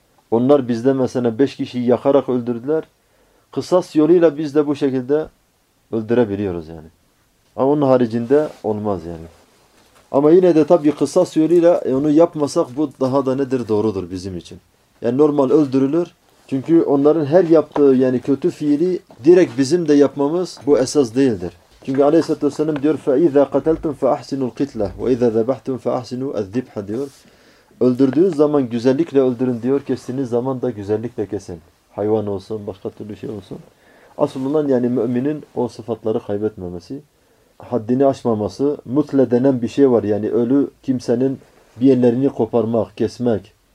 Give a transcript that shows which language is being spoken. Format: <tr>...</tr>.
<tr>Onlar bizde mesela 5 kişiyi yakarak öldürdüler. Kısas yoluyla biz de bu şekilde öldürebiliyoruz yani. Ama onun haricinde olmaz yani. Ama yine de tabii kısas yoluyla onu yapmasak bu daha da nedir doğrudur bizim için. Yani normal öldürülür. Çünkü onların her yaptığı yani kötü fiili direkt bizim de yapmamız bu esas değildir. Çünkü Aleyhisselatü Vesselam diyor</tr> <ar>فَاِذَا قَتَلْتُمْ فَاَحْسِنُوا الْقِتْلَةِ وَاِذَا ذَبَحْتُمْ فَاَحْسِنُوا الذِّبْحَ</ar> <tr>diyor. Öldürdüğün zaman güzellikle öldürün diyor. Kestiğiniz zaman da güzellikle kesin. Hayvan olsun, başka türlü şey olsun. Asıl olan yani müminin o sıfatları kaybetmemesi. Haddini aşmaması. Mutle denen bir şey var. Yani ölü kimsenin bir yerlerini koparmak, kesmek.</tr>